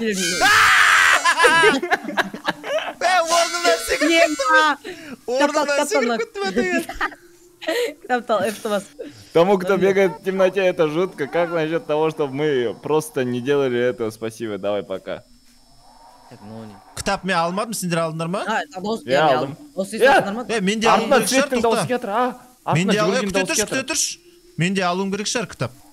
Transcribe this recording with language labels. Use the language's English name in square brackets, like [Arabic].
[Kazakh] Бәу, орнымдан секіріп кетті ме? Орнымдан секіріп кетті ме, деген. Кітаптал, F-ті бас. [Russian] Тому, кто бегает в темноте, это жутко. Как насчет того, чтобы мы просто не делали этого? Спасибо, давай, пока. [Kazakh] Кітап мен алмадым, сендер алдыңдар ма? Я алдым. Мен де алуым керек шығар, тоқта. Мен де алуым керек шығар, кітап.